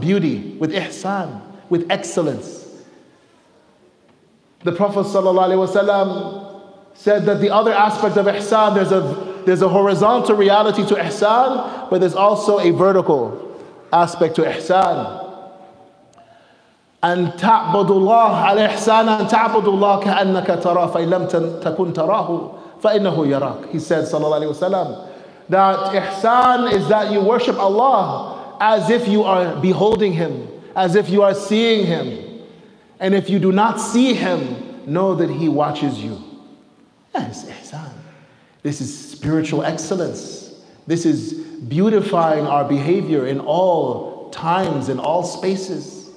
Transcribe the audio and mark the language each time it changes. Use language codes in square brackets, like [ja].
[en] Beauty, with ihsan, with excellence. The Prophet ﷺ said that the other aspect of ihsan, there's a horizontal reality to ihsan, but there's also a vertical aspect to ihsan. [ar] أن تعبد الله على إحسان أن تعبد الله كأنك ترى فإن لم تكن تراه فإنه يراك. [en] He said [ar] صلى الله عليه وسلم [en] that إحسان is that you worship Allah as if you are beholding Him, as if you are seeing Him, and if you do not see Him, know that He watches you. That's إحسان. This is spiritual excellence. This is beautifying our behavior in all times, in all spaces.